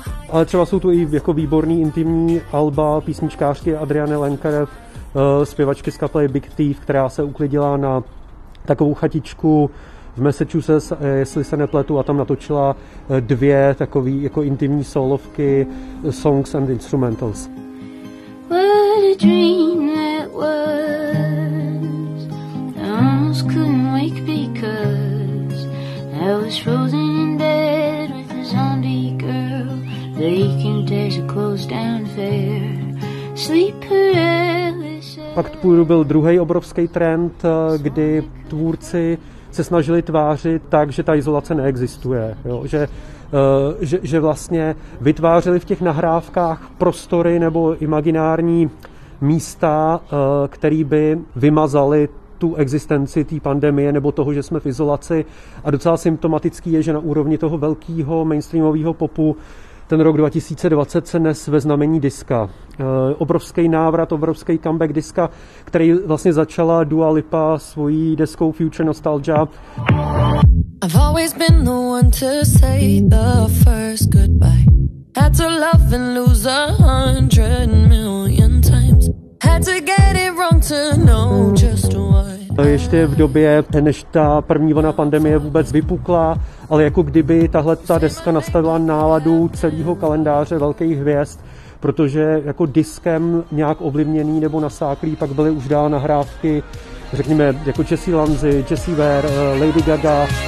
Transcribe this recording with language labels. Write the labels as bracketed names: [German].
[Czech] Ale třeba jsou tu i jako výborný intimní alba písničkářky Adriany Lenkarev, zpěvačky z kapely Big Thief, která se uklidila na takovou chatičku v Massachusetts, jestli se nepletu, a tam natočila dvě takové jako intimní solovky Songs and Instrumentals. [English] What a dream that was. I almost couldn't wake because I was frozen in bed with a zombie girl. Leaking days are closed down fair. Sleep paralysis. [Czech] Act Pure byl druhý obrovský trend, kdy tvůrci se snažili tvářit tak, že ta izolace neexistuje. Jo? Že vlastně vytvářeli v těch nahrávkách prostory nebo imaginární místa, které by vymazaly tu existenci té pandemie nebo toho, že jsme v izolaci. A docela symptomatický je, že na úrovni toho velkého mainstreamového popu ten rok 2020 se nes ve znamení diska. Obrovský návrat, obrovský comeback diska, který vlastně začala Dua Lipa svojí deskou Future Nostalgia. [English] I've always been the one to say the first goodbye. Had to love and lose 100 million times. Had to get it wrong to know just why. [Czech] Ještě v době, než ta první vlna pandemie vůbec vypukla, ale jako kdyby tahle ta deska nastavila náladu celého kalendáře velkých hvězd, protože jako diskem nějak ovlivněný nebo nasáklý pak byly už dál nahrávky, řekněme, jako Jesse Lanzi, Jesse Ware, Lady Gaga.